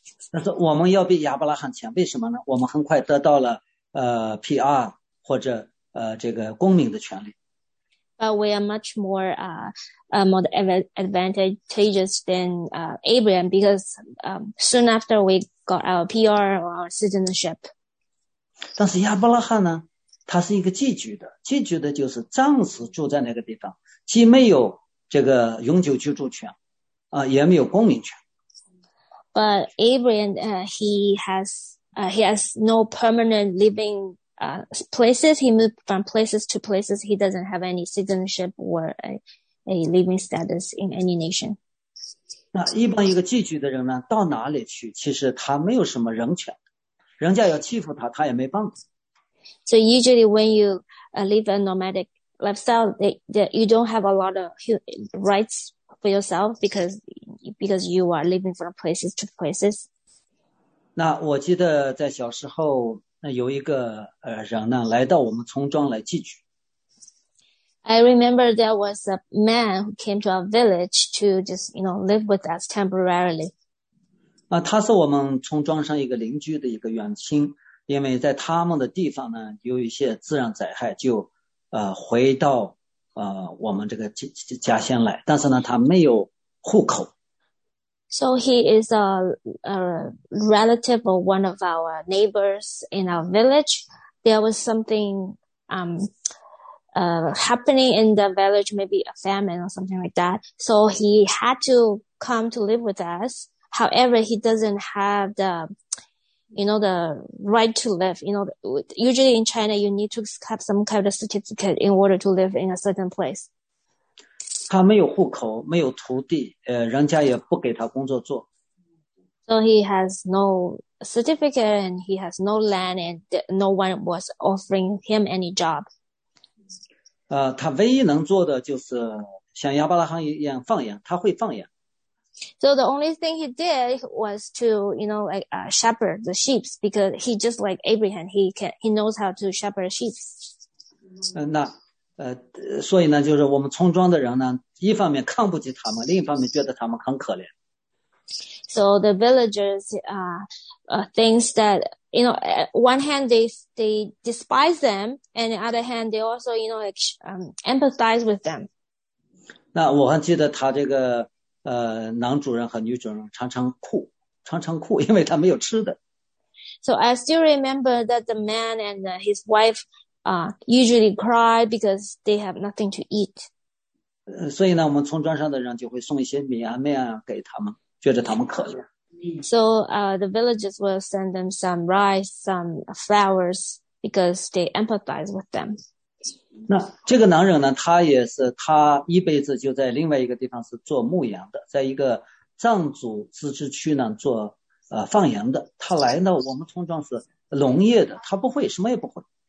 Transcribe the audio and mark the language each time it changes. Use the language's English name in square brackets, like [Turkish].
[Chinese] 但是我们要比亚伯拉罕强，为什么呢？我们很快得到了PR 或者这个公民的权利。 [English] But we are much more, more advantageous than, Abraham because, soon after we got our PR or our citizenship. [Chinese] 但是亚伯拉罕呢，他是一个寄居的，寄居的就是暂时住在那个地方，既没有这个永久居住权，也没有公民权。 [English] But Abraham, he has no permanent living,places. He moved from places to places. He doesn't have any citizenship or a living status in any nation. [Chinese] 那一般一个寄居的人呢，到哪里去？其实他没有什么人权，人家要欺负他，他也没办法。 [English] So usually, when you live a nomadic lifestyle, you don't have a lot of rights for yourself because you are living from places to places. [Chinese] 那我记得在小时候。那有一个人呢来到我们村庄来寄居。 [English] I remember there was a man who came to our village to just, you know, live with us temporarily. [Chinese] 啊，他是我们村庄上一个邻居的一个远亲，因为在他们的地方呢有一些自然灾害，就回到我们这个家乡来，但是呢他没有户口。 [English] So he is a relative of one of our neighbors in our village. There was something, happening in the village, maybe a famine or something like that. So he had to come to live with us. However, he doesn't have the, you know, the right to live. You know, usually in China, you need to have some kind of certificate in order to live in a certain place. [Chinese] 他没有户口，没有土地，人家也不给他工作做。 [English] So he has no certificate and he has no land and no one was offering him any job. [Chinese] 他唯一能做的就是像亚伯拉罕一样放羊，他会放羊。 [English] So the only thing he did was to, you know, like, shepherd the sheep because he just like Abraham, he knows how to shepherd sheep. [Chinese] 那所以呢，就是我们村庄的人呢，一方面看不起他们，另一方面觉得他们很可怜。 [English] So the villagers, thinks that, you know, one hand they despise them, and the other hand they also, you know, empathize with them. [Chinese] 那我还记得他这个男主人和女主人常常哭，因为他没有吃的。 [English] So I still remember that the man and his wife. Usually cry because they have nothing to eat. [Chinese] 所以呢，我们村庄上的人就会送一些米啊、面啊给他们，觉得他们可怜。 [English] So, the villagers will send them some rice, some flowers because they empathize with them. [Chinese] 那这个男人呢，他也是他一辈子就在另外一个地方是做牧羊的，在一个藏族自治区呢做放羊的。他来到我们村庄是农业的，他不会，什么也不会。